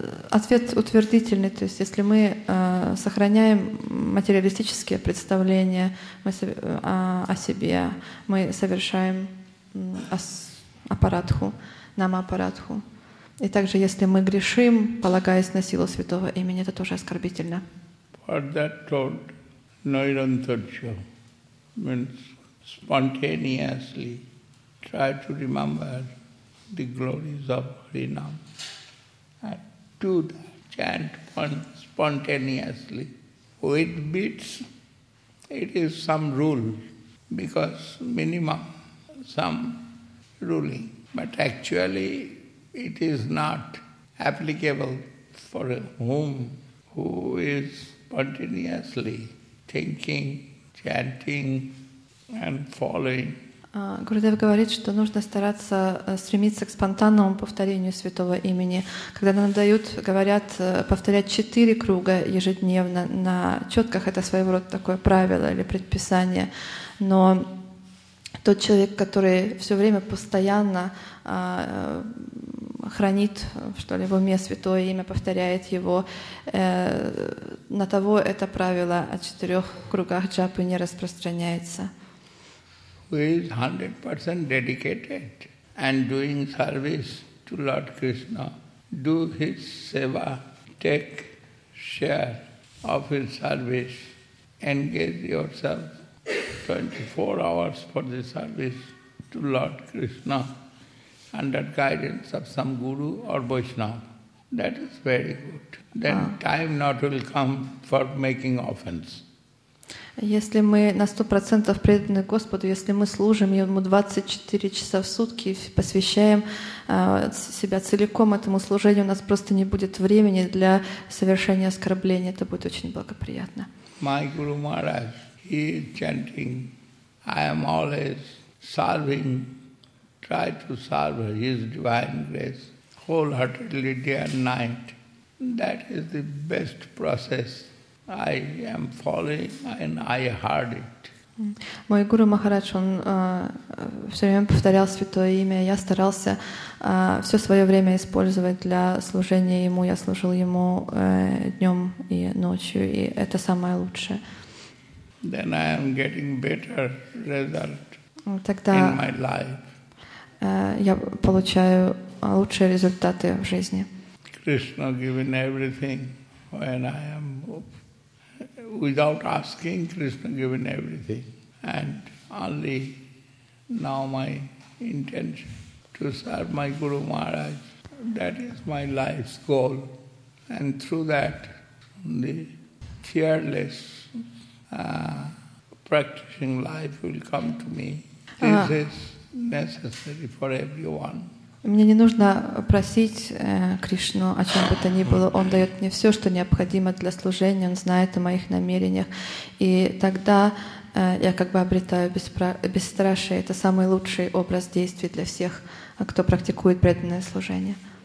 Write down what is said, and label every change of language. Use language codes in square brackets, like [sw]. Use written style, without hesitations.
[ru] Ответ утвердительный, то есть если мы сохраняем материалистические представления о себе, мы совершаем апарадху, намапарадху. И также если мы грешим, полагаясь на силу святого имени, это тоже оскорбительно. [en] For that thought, nirantarjo means spontaneously try to remember the glories of Harinam and do the chant spontaneously with beats. It is some rule, because minimum some ruling, but actually it is not applicable for whom who is spontaneously thinking, chanting and following. [ru] Гурудев говорит, что нужно стараться стремиться к спонтанному повторению святого имени. Когда нам дают, говорят, повторять 4 круга ежедневно на четках, это своего рода такое правило или предписание. Но тот человек, который все время постоянно хранит, что ли, в уме святое имя, повторяет его, на того это правило о 4 кругах джапы не распространяется. [en] Who is 100% dedicated and doing service to Lord Krishna, do his seva, take share of his service, engage yourself 24 hours for the service to Lord Krishna under guidance of some guru or Vaishnava. That is very good. Then time not will come for making offense. [ru] Если мы на 100% преданы Господу, если мы служим Ему 24 часа в сутки и посвящаем себя целиком этому служению, у нас просто не будет времени для совершения оскорбления. Это будет очень благоприятно. [en] My Guru Maharaj, he is chanting, I am always serving, try to serve His Divine Grace wholeheartedly day and night. That is the best process. I am following and I heard it. [ru] Мой гуру Махарадж, он все время повторял святое имя. Я старался все свое время использовать для служения ему. Я служил ему днем и ночью, и это самое лучшее. [en] Then I am getting better result [ru] Тогда, [en] in my life. [ru] Я получаю лучшие результаты в жизни. [en] Krishna giving everything when I am without asking, Krishna given everything, and only now my intention to serve my Guru Maharaj, that is my life's goal, and through that, the fearless practicing life will come to me. This is necessary for everyone. [ru] Мне не нужно просить Кришну о чем бы то ни было. Он дает мне все, что необходимо для служения. Он знает о моих намерениях. И тогда я как бы обретаю бесстрашие. Это самый лучший образ действий для всех, кто практикует преданное служение.